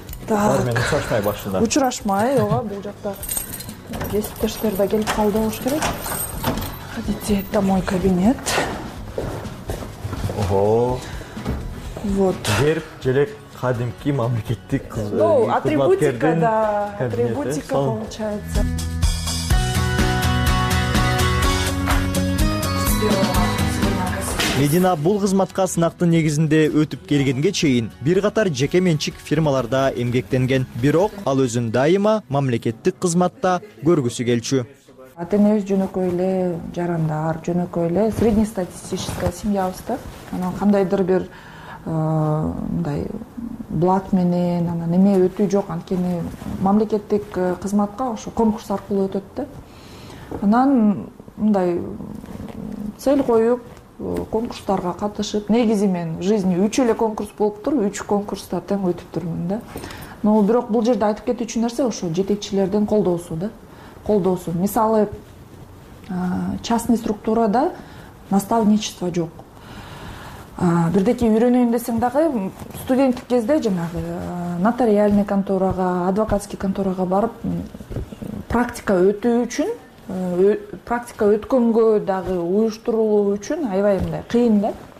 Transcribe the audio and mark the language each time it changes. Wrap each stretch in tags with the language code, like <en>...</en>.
<ky>Алар менен учурашмай башында. Учурашмай, ооба, бул жакта кесиптештер да келип калды болуш керек.</ky> <ru>Ходите, это мой кабинет. Ого. Вот.</ru> <ky>Жер желек кадимки мамлекеттик атрибутикадан атрибутика</ky> <ru>получается.</ru> <ky>Медина бул кызматка сынактын негизинде өтүп келгенге чейин бир катар жеке менчик фирмаларда эмгектенген. Бирок ал өзүн дайыма мамлекеттик кызматта көргүсү келчү. Атенебиз жөнөкөй эле жарандар, жөнөкөй эле среднестатистическая семьябызда. Анан кандайдыр бир мындай блат менен анан эме өтүү жок, анткени мамлекеттик кызматка ошо конкурс аркылуу өтөт да. Анан мындай цель коюп конкурстарга катышып, негизи мен жизни үч эле конкурс болуптур, үч конкурста тең өтүптүрмүн да. Но бирок бул жерде айтып кетүүчү нерсе ошо жетекчилердин колдоосу да. Колдоосу. Мисалы, частный структурада наставничество жок. Бирдеки үйрөнөйүн десең дагы студенттик кезде жанагы нотариальный контурага, адвокатский контурага барып практика өтүү үчүн практика өткөнгө дагы уюштурулуу үчүн аябай мындай кыйын да.</ky>